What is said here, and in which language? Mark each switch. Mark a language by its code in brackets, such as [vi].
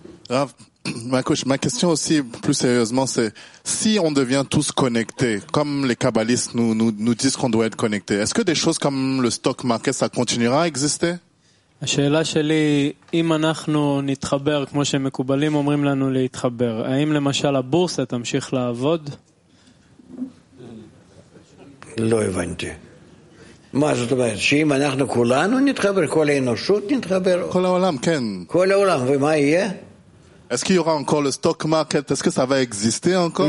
[fr] רב, ma question aussi, plus sérieusement, c'est si on devient tous connectés, comme les kabbalistes nous disent qu'on doit être connectés, est-ce que des choses comme le stock market, ça continuera à exister? [he] השאלה שלי, אם אנחנו נתחבר, כמו שמקובלים אומרים לנו להתחבר, האם למשל הבורסה תמשיך לעבוד? לא הבנתי. מה זאת אומרת? שאם אנחנו כולנו נתחבר, כל האנושות נתחבר? כל העולם, כן. כל העולם, ומה יהיה? [fr] Est-ce qu'il y aura encore le stock market? Est-ce que ça va exister encore?